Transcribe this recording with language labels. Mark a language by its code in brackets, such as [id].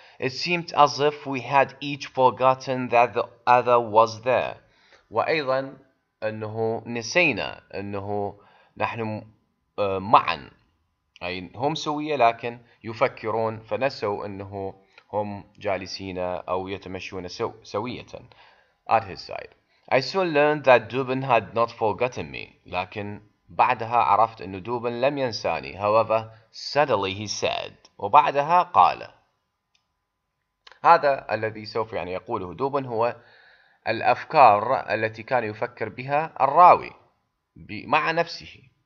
[en] It seemed as if we had each forgotten that the other was there. [ar] وأيضا أنه نسينا أنه نحن معا أي هم سوية لكن يفكرون فنسوا أنه هم جالسين أو يتمشون سوية. [en] At his side, I soon learned that Dubin had not forgotten me. [ar] لكن بعدها عرفت أن دوبن لم ينساني. [en] However, suddenly he said. [ar] وبعدها قال. هذا الذي سوف يعني يقوله دوبن هو الأفكار التي كان يفكر بها الراوي مع نفسه.